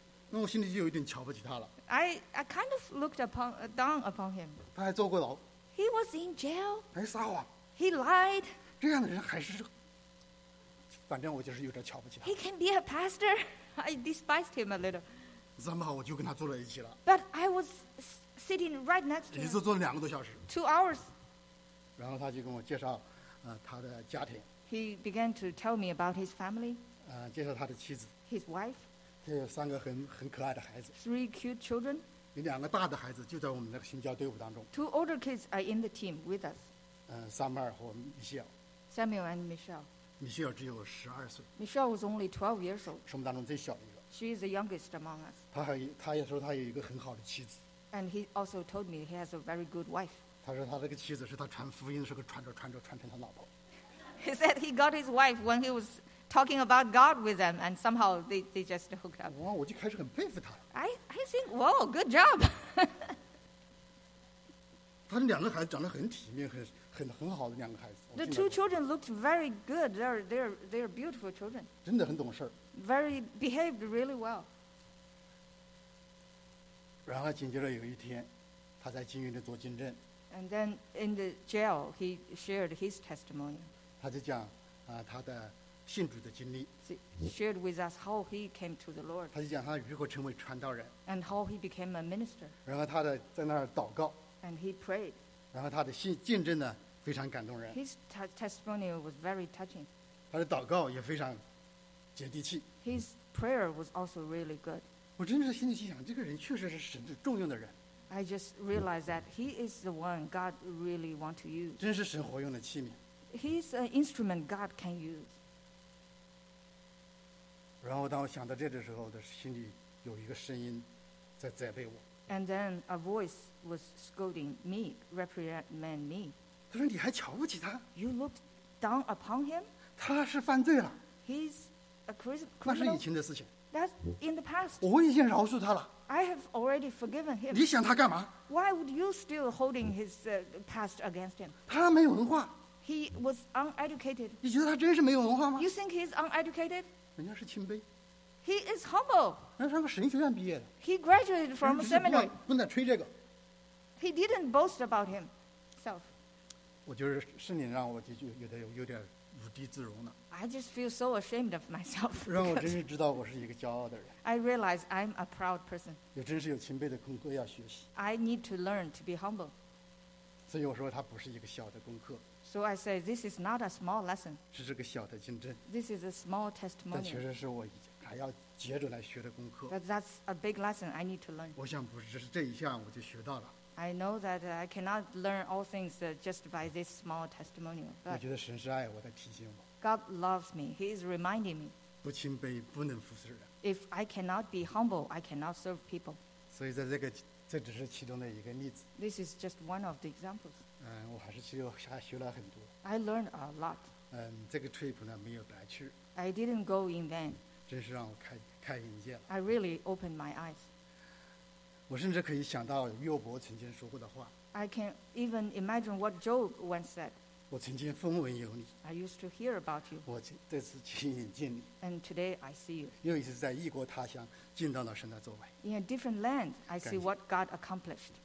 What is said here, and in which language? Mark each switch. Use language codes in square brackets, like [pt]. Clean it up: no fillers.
[zh] 那我心里就有一点瞧不起他了。 [en] I kind of looked down upon him. [zh] 他还坐过牢。 [en] He was in jail. [zh] 还撒谎。 [en] He lied. [zh] 这样的人还是，反正我就是有点瞧不起他。 [en] He can be a pastor. I despised him a little. Somehow, [zh] 我就跟他坐在一起了。 [en] But I was sitting right next to him. [zh] 一次坐了两个多小时。 [en] Two hours. [zh] 然后他就跟我介绍，他的家庭。 [en] He began to tell me about his family. [zh] 介绍他的妻子。 [en] His wife. [zh] 他有三个很可爱的孩子。 [en] Three cute children. [zh] 有两个大的孩子就在我们那个新教队伍当中。 [en] Two older kids are in the team with us. [zh] Samuel 和 Michelle. [en] Samuel and Michelle. [zh] Michelle 只有十二岁。 [en] Michelle was only 12 years old. [zh] 是我们当中最小的一个。 [en] She is the youngest among us. [zh] 他也说他有一个很好的妻子。 [en] And he also told me he has a very good wife. [zh] 他说他这个妻子是他传福音的时候传着传成他老婆。 [en] He said he got his wife when he was talking about God with them, and somehow they just hooked up. [zh] 哇，我就开始很佩服他。 [en] I think, whoa, good job. [zh] 他的两个孩子长得很体面，很好的两个孩子。 [en] The two children looked very good. They're beautiful children. [zh] 真的很懂事。 [en] Very behaved really well. [zh] 然后紧接着有一天，他在监狱里做见证。 [en] And then in the jail, he shared his testimony. [zh] 他就讲他的信主的经历。 [en] He shared with us how he came to the Lord. [zh] 他就讲他如何成为传道人。 [en] And how he became a minister. [zh] 然后他的在那儿祷告。 [en] And he prayed. [zh] 然后他的见证呢非常感动人。 [en] His testimony was very touching. [zh] 他的祷告也非常。接地气。 [en] His prayer was also really good. [zh] 我真的是心里想，这个人确实是神重用的人。 [en] I just realized that he is the one God really want to use. [zh] 真是神活用的器皿。 [en] He's an instrument God can use. [zh] 然后当我想到这的时候，我的心里有一个声音在责备我。 [en] And then a voice was scolding me, reprimand me. [zh] 他说你还瞧不起他 [en] ？You looked down upon him. [zh] 他是犯罪了。 [en] He's [zh] 那是以前的事情。 [en] That's in the past. [zh] 我已经饶恕他了。 [en] I have already forgiven him. [zh] 你想他干嘛 [en] ？Why would you still holding his past against him? [zh] 他没有文化。 [en] He was uneducated. [zh] 你觉得他真是没有文化吗 [en] ？You think he's uneducated? [zh] 人家是谦卑。 [en] He is humble. [zh] 人家上个神学院毕业的。 [en] He graduated from a seminary. [zh] 不能吹这个。 [en] He didn't boast about himself. [zh] 我就是圣灵让我就觉得有点无地自容了。 [en] I just feel so ashamed of myself. [zh] 让我真是知道我是一个骄傲的人。 [en] I realize I'm a proud person. [zh] 也真是有谦卑的功课要学习。 [en] I need to learn to be humble. [zh] 所以我说它不是一个小的功课。 [en] So I say this is not a small lesson. [zh] 是这个小的竞争。 [en] This is a small testimony. [zh] 但确实是我还要接着来学的功课。 [en] But that's a big lesson I need to learn. [zh] 我想不是只是这一项我就学到了。 [en] I know that I cannot learn all things just by this small testimonial. [zh] 我觉得神是爱我的提醒我。 [en] God loves me. He is reminding me. [zh] 不谦卑不能服侍人。 [en] If I cannot be humble, I cannot serve people. [zh] 所以在这个，这只是其中的一个例子。 [en] This is just one of the examples. [zh] 我还是其实还学了很多。 [en] I learned a lot. [zh] 这个 trip 呢没有白去。 [en] I didn't go in vain. [zh] 真是让我开眼界了。 [en] I really opened my eyes. [zh] 我甚至可以想到约伯曾经说过的话。 [en] I can even imagine what Job once said. [zh] 我曾经风闻有你。 [en] I used to hear about you. [zh] 我这次亲眼见你。 [en] And today I see you. [zh] 又一次在异国他乡见到了神的作为。 [en] In a different land, I see what God accomplished.